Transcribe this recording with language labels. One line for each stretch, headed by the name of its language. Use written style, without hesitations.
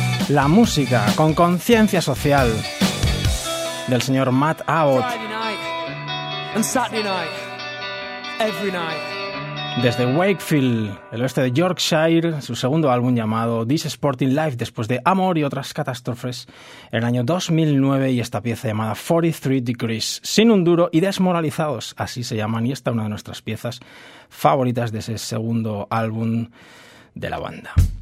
Spanish: La música con conciencia social del señor Matt Abbott.
English: Friday night and Saturday night, every night.
Spanish: Desde Wakefield, el oeste de Yorkshire, su segundo álbum llamado This Sporting Life, después de Amor y otras catástrofes, en el año 2009, y esta pieza llamada 43 Degrees, sin un duro y desmoralizados, así se llaman, y esta una de nuestras piezas favoritas de ese segundo álbum de la banda.